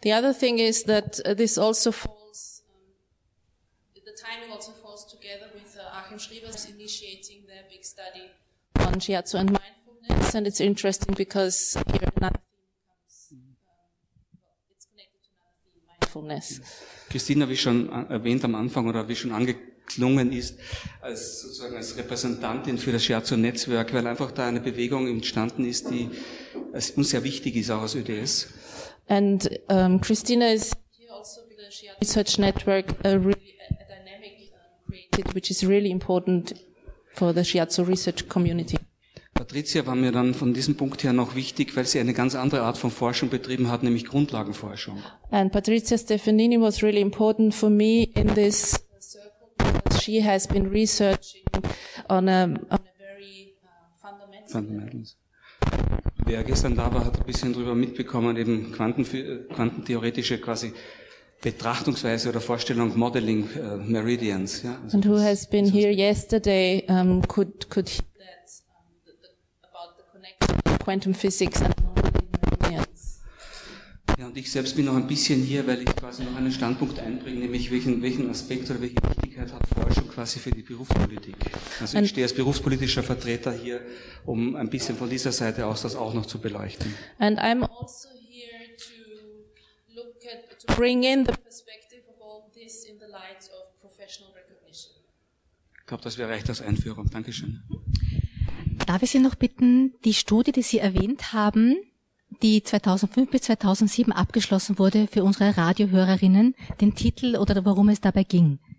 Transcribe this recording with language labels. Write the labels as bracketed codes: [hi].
[en] The other thing is that this also falls, the timing also falls together with Achim Schriebers initiating their big study on Scherzo and mindfulness, and it's interesting because here another thing comes, it's connected to another theme, mindfulness. [de] Christina, wie schon erwähnt am Anfang oder wie schon angeklungen ist, als sozusagen als Repräsentantin für das Scherzo-Netzwerk, weil einfach da eine Bewegung entstanden ist, die uns sehr wichtig ist, auch als ÖDS. [en] And Christina is here also with the Scherzo Research Network, a dynamic created, which is really important for the Scherzo Research Community. But [de] Patricia war mir dann von diesem Punkt her noch wichtig, weil sie eine ganz andere Art von Forschung betrieben hat, nämlich Grundlagenforschung. [en] And Patricia Stefanini was really important for me in this circle. She has been researching on a very fundamental. [de] Wer gestern da war, hat ein bisschen drüber mitbekommen, eben quantentheoretische quasi Betrachtungsweise oder Vorstellung, Modeling Meridians. Ja. [en] Also and who has been here yesterday could hear that about the connection of quantum physics and meridians. [de] Ja, und ich selbst bin noch ein bisschen hier, weil ich quasi noch einen Standpunkt einbringe, nämlich welchen Aspekt oder welche Wichtigkeit hat Forschung quasi für die Berufspolitik. Also ich stehe als berufspolitischer Vertreter hier, um ein bisschen von dieser Seite aus das auch noch zu beleuchten. [en] And I'm also here to look at bring in the perspective of all this in the light of professional recognition. [de] Ich glaube, das wäre recht als Einführung. Dankeschön. Darf ich Sie noch bitten, die Studie, die Sie erwähnt haben, die 2005 bis 2007 abgeschlossen wurde für unsere Radiohörerinnen, den Titel oder worum es dabei ging?